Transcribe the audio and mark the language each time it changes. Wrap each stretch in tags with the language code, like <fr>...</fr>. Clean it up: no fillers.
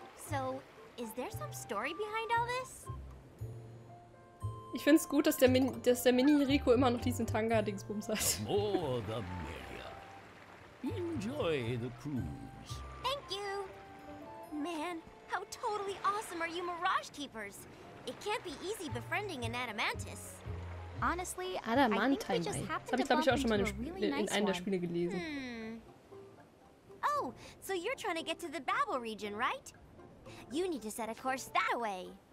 <en>So, is there some story behind all this?</en> <de>Ich find's gut, dass der Mini-Riku immer noch diesen Tanga-Dingsbums hat.</de> <en>More the merrier. Enjoy the cruise. Thank you. Man, how totally awesome are you Mirage Keepers? It can't be easy befriending an Adamantus. Honestly, Adamantine.</en> <de>Das habe ich, glaube ich, auch schon mal in einem der Spiele gelesen.</de> <en>Oh, so you're trying to get to the Babel region, right? You need to set a course that way.</en>